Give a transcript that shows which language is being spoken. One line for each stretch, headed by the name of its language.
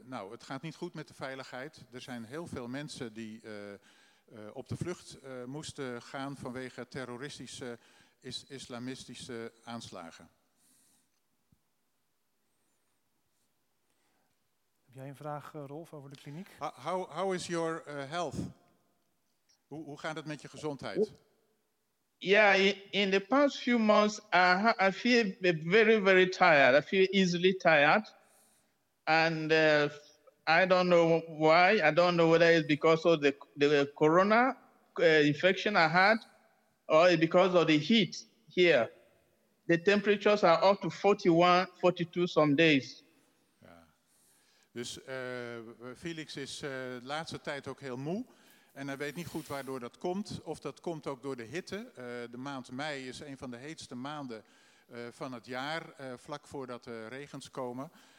Dutch: het gaat niet goed met de veiligheid. Er zijn heel veel mensen die op de vlucht moesten gaan vanwege terroristische... islamistische aanslagen. Heb jij een vraag, Rolf, over de kliniek?
English: How is your health?
Dutch: Hoe gaat het met je gezondheid?
English: Yeah, in the past few months, I feel very, very tired. I feel easily tired. And I don't know why. I don't know whether it's because of the corona infection I had, or because of the heat here. The temperatures are up to 41, 42 some days.
Dutch: Ja. Dus Felix is de laatste tijd ook heel moe. En hij weet niet goed waardoor dat komt. Of dat komt ook door de hitte. De maand mei is een van de heetste maanden van het jaar. Vlak voordat de regens komen.